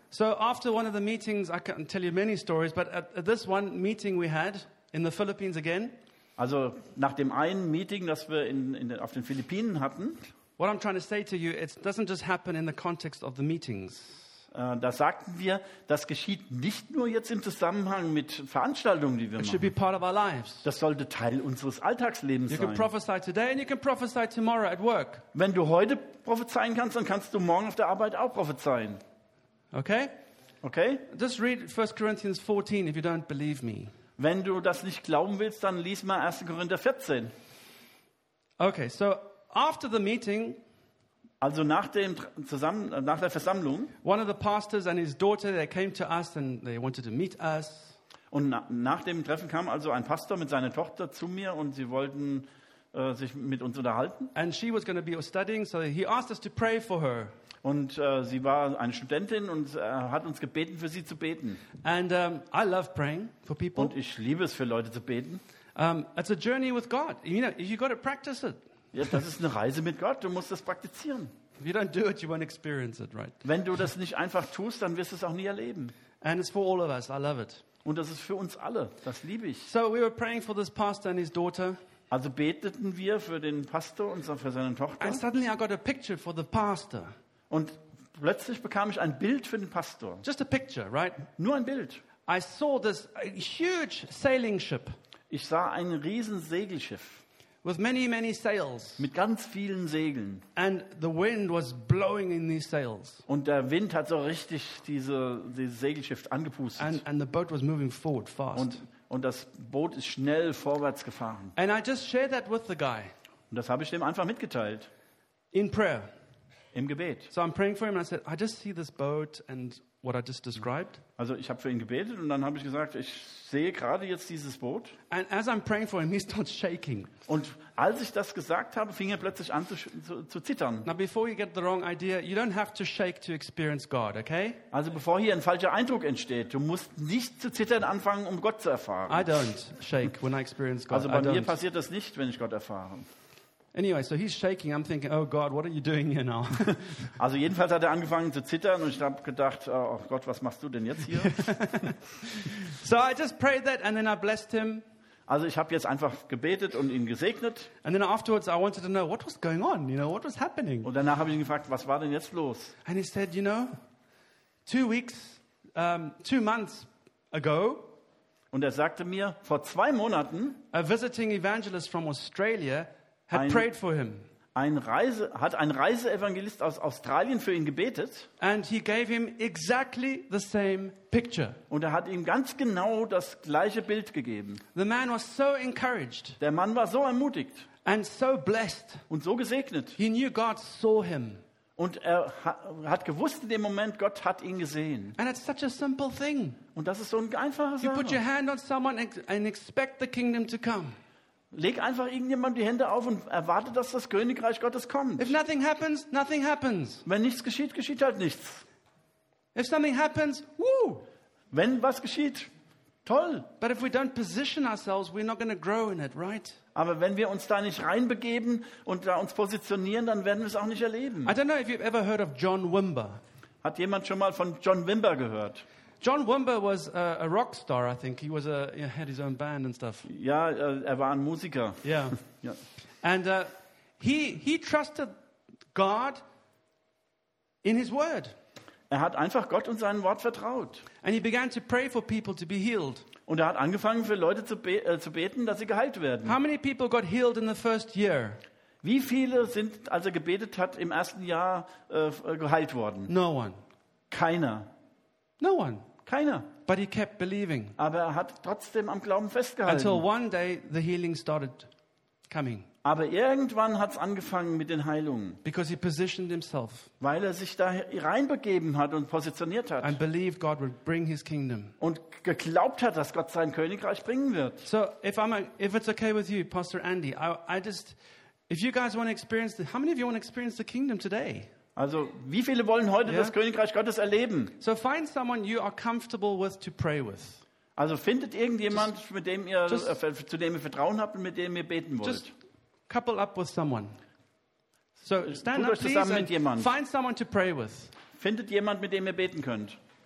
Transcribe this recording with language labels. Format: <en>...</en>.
<en>So after one of the meetings, I can tell you many stories, but at this one meeting we had. In the Philippines again.</en> <de>Also nach dem einen Meeting, das wir auf den Philippinen hatten.</de> <en>What I'm trying to say to you, it doesn't just happen in the context of the meetings.</en> <de>Da sagten wir, das geschieht nicht nur jetzt im Zusammenhang mit Veranstaltungen, die wir machen.</de> <en>It should be part of our lives.</en> <de>Das sollte Teil unseres Alltagslebens sein.</de> <en>You can prophesy today and you can prophesy tomorrow at work.</en> <de>Wenn du heute prophezeien kannst, dann kannst du morgen auf der Arbeit auch prophezeien.</de> <en>Okay? Okay? Just read 1 Corinthians 14 if you don't believe me.</en> <de>Wenn du das nicht glauben willst, dann lies mal 1. Korinther 14.</de> <en>Okay, so after the meeting,</en> <de>also nach der Versammlung,</de> <en>one of the pastors and his daughter, they came to us and they wanted to meet us.</en> <de>Und nach dem Treffen kam also ein Pastor mit seiner Tochter zu mir und sie wollten sich mit uns unterhalten.</de> <en>And she was going to be studying, so he asked us to pray for her.</en> <de>Und sie war eine Studentin und hat uns gebeten, für sie zu beten.</de> <en>And I love praying for people.</en> <de>Und ich liebe es, für Leute zu beten.</de> <en>It's a journey with God. You know, you got to practice it.</en> <de>Ja, das ist eine Reise mit Gott. Du musst das praktizieren.</de> <en>If you don't do it, you won't experience it, right?</en> <de>Wenn du das nicht einfach tust, dann wirst du es auch nie erleben.</de> <en>And it's for all of us. I love it.</en> <de>Und das ist für uns alle. Das liebe ich.</de> <en>So we were praying for this pastor and his daughter.</en> <de>Also beteten wir für den Pastor und für seine Tochter.</de> <en>And suddenly I got a picture for the pastor.</en> <de>Und plötzlich bekam ich ein Bild für den Pastor.</de> <en>Just a picture, right?</en> <de>Nur ein Bild.</de> <en>I saw this huge sailing ship.</en> <de>Ich sah ein riesen Segelschiff.</de> <en>With many, many sails.</en> <de>Mit ganz vielen Segeln.</de> <en>And the wind was blowing in these sails.</en> <de>Und der Wind hat so richtig dieses Segelschiff angepustet.</de> <en>And the boat was moving forward fast.</en> <de>Und Und das Boot ist schnell vorwärts gefahren.</de> <en>And I just shared that with the guy.</en> <de>Und das habe ich dem einfach mitgeteilt.</de> <en>In prayer.</en> <de>Im Gebet.</de> <en>So I'm praying for him and I said, I just see this boat and what I just described.</en> <de>Also ich habe für ihn gebetet und dann habe ich gesagt, ich sehe gerade jetzt dieses Boot.</de> <en>And as I'm praying for him, he starts shaking.</en> <de>Und als ich das gesagt habe, fing er plötzlich an zu zittern.</de> <en>Now before you get the wrong idea, you don't have to shake to experience God, okay?</en> <de>Also bevor hier ein falscher Eindruck entsteht, du musst nicht zu zittern anfangen, um Gott zu erfahren.</de> <en>I don't shake when I experience God.</en> <de>Also bei mir passiert das nicht, wenn ich Gott erfahre.</de> <en>Anyway, so he's shaking. I'm thinking, oh God, what are you doing here now?</en> <de>Also jedenfalls hat er angefangen zu zittern und ich habe gedacht, oh Gott, was machst du denn jetzt hier?</de> <en>So I just prayed that and then I blessed him.</en> <de>Also ich habe jetzt einfach gebetet und ihn gesegnet.</de> <en>And then afterwards I wanted to know what was going on, you know, what was happening.</en> <de>Und danach habe ich ihn gefragt, was war denn jetzt los?</de> <en>And he said, you know, 2 months ago.</en> <de>Und er sagte mir, vor 2 Monaten,</de> <en>a visiting evangelist from Australia had prayed for him.</en> <de>Ein Reiseevangelist aus Australien für ihn gebetet.</de> <en>And he gave him exactly the same picture.</en> <de>Und hat ihm ganz genau das gleiche Bild gegeben.</de> <en>The man was so encouraged.</en> <de>Der Mann war so ermutigt.</de> <en>And so blessed.</en> <de>Und so gesegnet.</de> <en>He knew God saw him.</en> <de>Und hat gewusst in dem Moment, Gott hat ihn gesehen.</de> <en>And it's such a simple thing.</en> <de>Und das ist so ein einfacher Sache.</de> <en>You put your hand on someone and expect the kingdom to come.</en> <de>Leg einfach irgendjemand die Hände auf und erwarte, dass das Königreich Gottes kommt.</de> <en>If nothing happens, nothing happens.</en> <de>Wenn nichts geschieht, geschieht halt nichts.</de> <en>If something happens, woo!</en> <de>Wenn was geschieht, toll.</de> <en>But if we don't position ourselves, we're not going to grow in it, right?</en> <de>Aber wenn wir uns da nicht reinbegeben und da uns positionieren, dann werden wir es auch nicht erleben.</de> <en>I don't know if you've ever heard of John Wimber.</en> <de>Hat jemand schon mal von John Wimber gehört?</de> <en>John Wimber was a rock star, I think. He was had his own band and stuff.</en> <de>Ja, war ein Musiker.</de> <en>Yeah. Ja. And he trusted God in his word.</en> <de>Hat einfach Gott und seinem Wort vertraut.</de> <en>And he began to pray for people to be healed.</en> <de>Und hat angefangen für Leute zu beten, dass sie geheilt werden.</de> <en>How many people got healed in the first year?</en> <de>Wie viele sind, als gebetet hat, im ersten Jahr geheilt worden?</de> <en>No one.</en> <de>Keiner.</de> <en>No one.</en> <de>Keiner.</de> <en>But he kept believing.</en> <de>Aber hat trotzdem am Glauben festgehalten.</de> <en>Until one day the healing started coming.</en> <de>Aber irgendwann hat's angefangen mit den Heilungen.</de> <en>Because he positioned himself.</en> <de>Weil sich da reinbegeben hat und positioniert hat.</de> <en>And believed God would bring his kingdom.</en> <de>Und geglaubt hat, dass Gott sein Königreich bringen wird.</de> <en>So if it's okay with you, Pastor Andy, if you guys want to experience how many of you want to experience the kingdom today?</en> <de>Also, wie viele wollen heute das Königreich Gottes erleben?</de> <en>So find someone you are comfortable with to pray with.</en> <de>Also findet irgendjemand, zu dem ihr Vertrauen habt und mit dem ihr beten wollt.</de> <en>Just couple up with someone. So stand up, please,</en> <de>mit jemand.</de> <en>Find someone to pray with.</en> <de>Findet jemand, mit dem ihr beten könnt.</de>